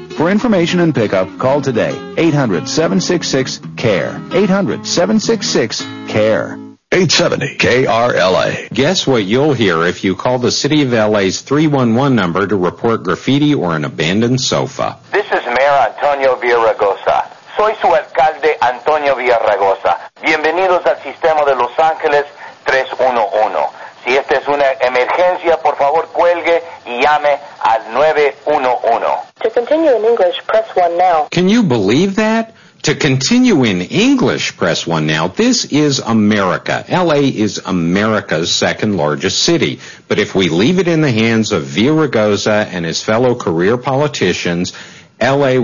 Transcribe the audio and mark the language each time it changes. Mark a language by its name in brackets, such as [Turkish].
[English] For information and pickup, call today, 800-766-CARE. 800-766-CARE. 870 KRLA. Guess what you'll hear if you call the City of LA's 311 number to report graffiti or an abandoned sofa. This is Mayor Antonio Villaraigosa. [Spanish] Soy su alcalde Antonio Villaraigosa. Bienvenidos al sistema de Los Ángeles 311. Si esta es una emergencia, por favor, cuelgue y llame al 911. [English] To continue in English, press 1 now. Can you believe that? To continue in English, press 1 now. This is America. L.A. is America's second largest city. But if we leave it in the hands of Villaraigosa and his fellow career politicians, L.A.